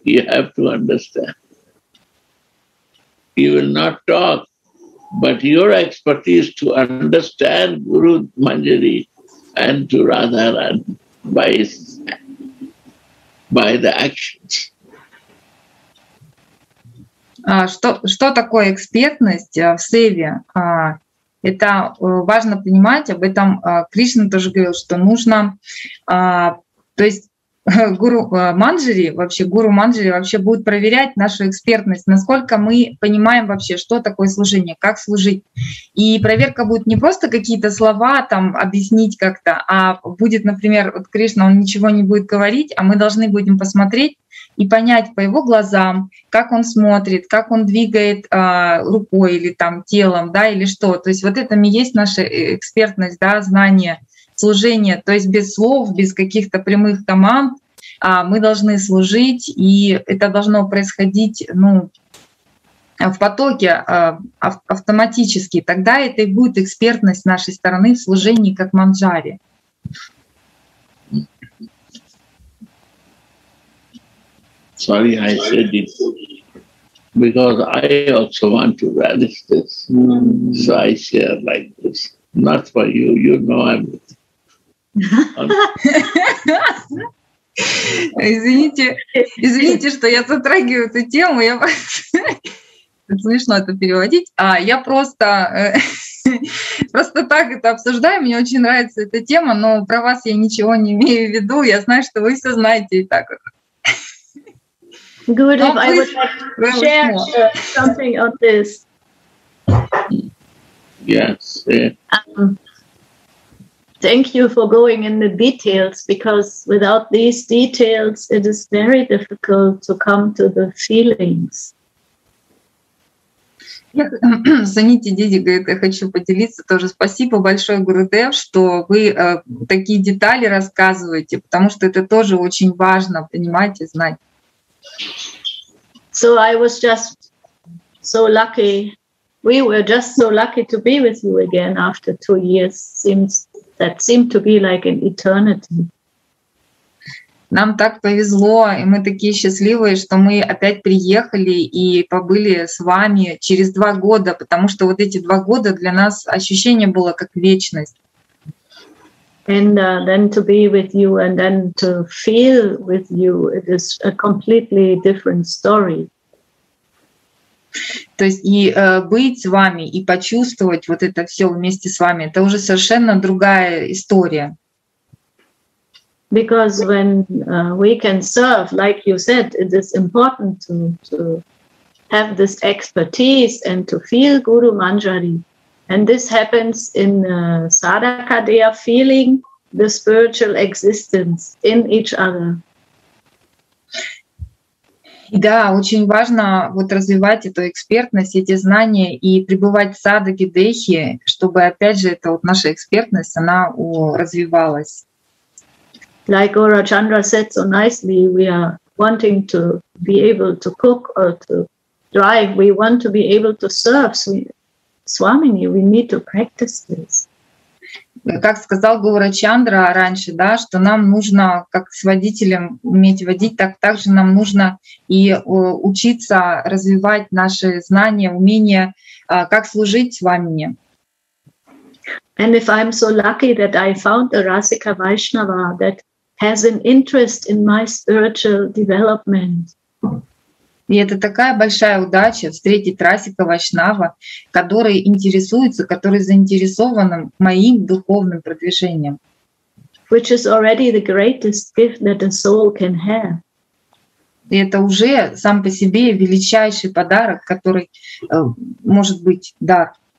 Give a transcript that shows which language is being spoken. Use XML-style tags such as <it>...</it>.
<en>You have to understand. He will not talk. But your expertise to understand Guru Manjari and to Radharani by the actions.</en> <ru>Что такое экспертность в севе? Это важно понимать, об этом Кришна тоже говорил, что нужно, то есть гуру Манджари, вообще гуру Манджари вообще будет проверять нашу экспертность, насколько мы понимаем вообще, что такое служение, как служить. И проверка будет не просто какие-то слова там объяснить как-то, а будет, например, вот Кришна, он ничего не будет говорить, а мы должны будем посмотреть и понять по его глазам, как он смотрит, как он двигает рукой или там телом, да, или что. То есть вот это и есть наша экспертность, да, знание. Служение, то есть без слов, без каких-то прямых команд, мы должны служить, и это должно происходить, ну, в потоке автоматически. Тогда это и будет экспертность с нашей стороны в служении, как Манджари.</ru> <en>Sorry, I said it because I also want to relish this, so I share like this. Not for you, you know I'm.</en> <ru>Извините, что я затрагиваю эту тему. Я смешно это переводить. А я просто так это обсуждаю. Мне очень нравится эта тема, но про вас я ничего не имею в виду. Я знаю, что вы все знаете и так.</ru> <en>Good, if I would share something on this. Yes. Thank you for going in the details, because without these details, it is very difficult to come to the feelings.</en> <ru>Саните, Диди говорит, я хочу поделиться тоже. Спасибо большое, Гурудев, что вы такие детали рассказываете, потому что это тоже очень важно понимать и знать.</ru> <en>So I was just so lucky. We were just so lucky to be with you again after 2 years. That seemed to be like an eternity.</en> <ru>Нам так повезло, и мы такие счастливые, что мы опять приехали и побыли с вами через 2 года, потому что вот эти 2 года для нас ощущение было как вечность.</ru> <en>And then to be with you and then to feel with you, it is a completely different story.</en> <ru>То есть и быть с вами, и почувствовать вот это все вместе с вами, это уже совершенно другая история.</ru> <en>Because when we can serve, like you said, it is important to have this expertise and to feel Guru Manjari. And this happens in Sadakadeya, feeling the spiritual existence in each other.</en> <ru>И да, очень важно вот развивать эту экспертность, эти знания и пребывать в садаке дехи, чтобы опять же эта вот наша экспертность она развивалась.</ru> <en>Like Ora Chandra said so nicely, we are wanting to be able to cook or to drive. We want to be able to serve Swamini. We need to practice this.</en> <ru>Как сказал Гоура Чандра раньше, да, что нам нужно, как с водителем уметь водить, так также нам нужно и учиться развивать наши знания, умения, как служить Свамине.</ru> <en>And if I'm so lucky that I found a Rasika Vaishnava that has an interest in my spiritual development.</en> <ru>И это такая большая удача встретить Расика Вайшнава, который интересуется, который заинтересован моим духовным продвижением.</ru> <en>Which is already the greatest gift that a soul can have.</en> <ru>И это уже сам по себе величайший подарок, который может быть дар.</ru>